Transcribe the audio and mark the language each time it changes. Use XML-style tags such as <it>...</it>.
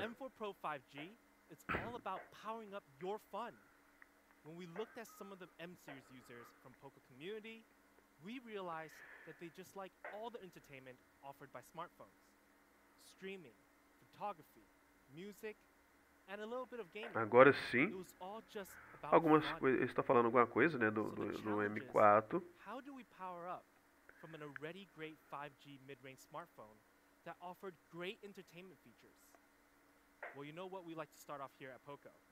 <en>M4 Pro 5G, it's all about powering up your fun. When we looked at some of the M series users from Poco community, we realized that they just like all the entertainment offered by smartphones. Streaming, photography, music, and a little bit of gaming.</en> <pt>Agora sim. Algumas coisas, estou falando alguma coisa, né, do M4.</pt> <en>How do we power up from an already great 5G mid-range smartphone that offered great entertainment features? Well, you know what we like to start off here at Poco?</en>